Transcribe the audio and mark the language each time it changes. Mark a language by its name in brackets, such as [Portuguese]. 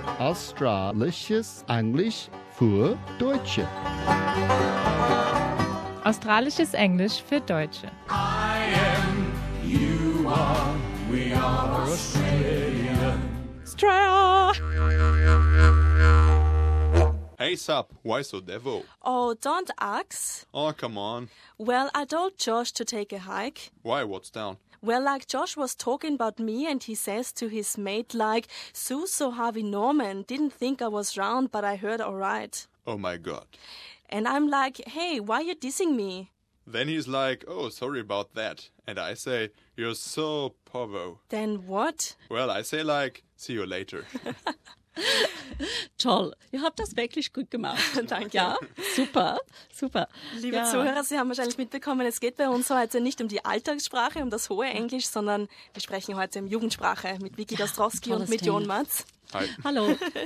[German] Australisches Englisch für Deutsche. Australisches Englisch für Deutsche. [English] I am, you are, we are Australia. Australia! Hey, sup? Why so devil? Oh, don't ask. Oh, come on. Well, I told Josh to take a hike. Why? What's down? Well, like Josh was talking about me and he says to his mate, like, Suso Harvey Norman, didn't think I was round, but I heard all right. Oh, my God. And I'm like, hey, why are you dissing me? Then he's like, oh, sorry about that. And I say, you're so povo. Then what? Well, I say, like, see you later. [German] Toll, ihr habt das wirklich gut gemacht. Danke. Ja, super, super. Liebe Zuhörer, Sie haben wahrscheinlich mitbekommen, es geht bei uns heute nicht um die Alltagssprache, um das hohe Englisch, sondern wir sprechen heute um Jugendsprache mit Vicky Dostrowski und mit Jon Matz. Hi. Hallo.